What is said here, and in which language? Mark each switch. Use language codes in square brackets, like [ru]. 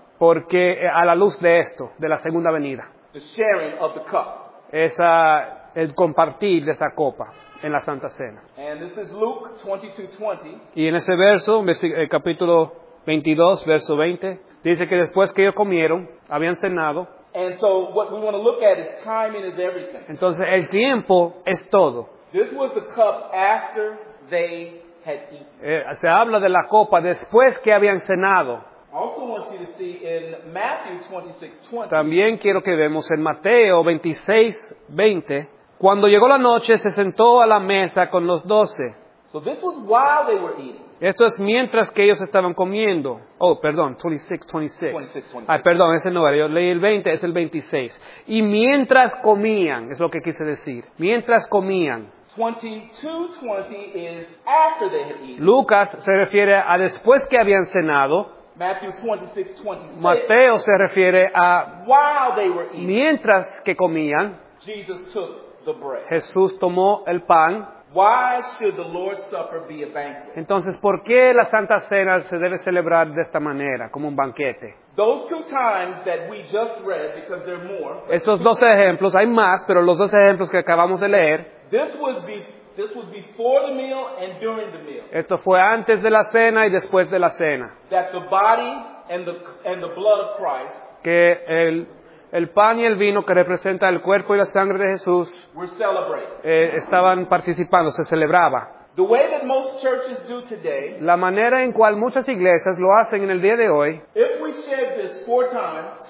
[es] porque a la luz de esto, de la segunda venida, [en] the sharing of the cup, [es] esa el compartir de esa copa en la Santa Cena. [en] And this is Luke 22:20. [es] Y en ese verso, el capítulo 22, verso 20, Dice que después que ellos comieron, habían cenado. [en] And so what we want to look at is timing is everything. [es] Entonces el tiempo es todo. [en] This was the cup after they had eaten. [es] Se habla de la copa después que habían cenado. [en] I also want you to see in Matthew 26:20. [es] También quiero que vemos en Mateo 26:20. Cuando llegó la noche, se sentó a la mesa con los doce. [en] So this was while they were eating. [es] Esto es mientras que ellos estaban comiendo. Oh, perdón, 26:26. Ay, perdón, ese no era. Yo leí el 20, es el 26. Y mientras comían, es lo que quise decir. Mientras comían. [en] 22:20 is after they had eaten. [es] Lucas se refiere a después que habían cenado. [en] Matthew 26:26. [es] Mateo se refiere a [en] while they were eating. [es] Mientras que comían. [en] Jesus took the bread. [es] Jesús tomó el pan. [en] Why should the Lord's Supper be a banquet? [es] Entonces, ¿por qué la Santa Cena se debe celebrar de esta manera, como un banquete? [en] Those two times that we just read, because there are more. [es] Esos dos ejemplos, hay más, pero los dos ejemplos que acabamos de leer. [en] This was before the meal and during the meal. [es] Esto fue antes de la cena y después de la cena. [en] That the body and the blood of Christ. [es] Que el pan y el vino que representa el cuerpo y la sangre de Jesús estaban participando, se celebraba. [en] The way that most churches do today, [es] la manera en cual muchas iglesias lo hacen en el día de hoy, [en] if we share this four times,